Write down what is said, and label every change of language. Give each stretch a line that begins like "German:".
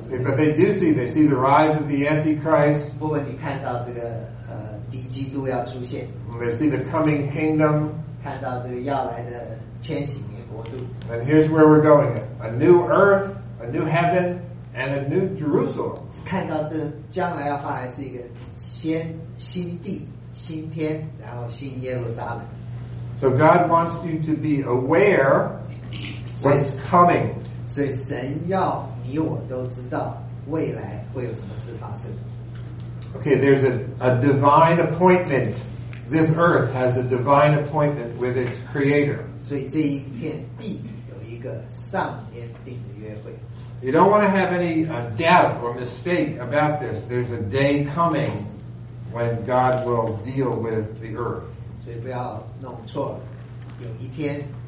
English: but they do see, they see the rise of the Antichrist.
Chinese: 不过你看到这个敌基督要出现。
English: They see the coming kingdom.
Chinese: 看到这个要来的千禧年国度。
English: And here's where we're going. A new earth, a new heaven, and a new Jerusalem.
Chinese: 看到这将来要发来是一个新地、新天，然后新耶路撒冷。
English: So God wants you to be aware what's coming.
Chinese: 所以神要你我都知道未来会有什么事发生。
English: Okay, there's a divine appointment. This earth has a divine appointment with its creator.
Chinese: 所以这一片地有一个上天定的约会。
English: You don't want to have any doubt or mistake about this. There's a day coming when God will deal with the earth.
Chinese: 所以不要弄错了，有一天。